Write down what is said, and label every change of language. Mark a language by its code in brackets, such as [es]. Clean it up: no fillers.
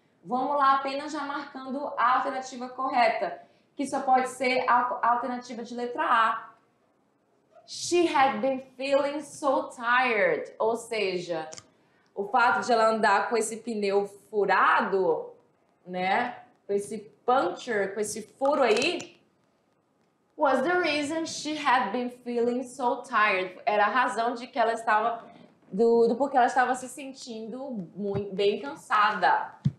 [pt] Vamos lá, apenas já marcando a alternativa correta, que só pode ser a alternativa de letra A. [en] She had been feeling so tired. [pt] Ou seja, o fato de ela andar com esse pneu furado, né? com esse puncture, com esse furo aí, [en] was the reason she had been feeling so tired. [pt] Era a razão de que ela estava, do porque ela estava se sentindo muito, bem cansada.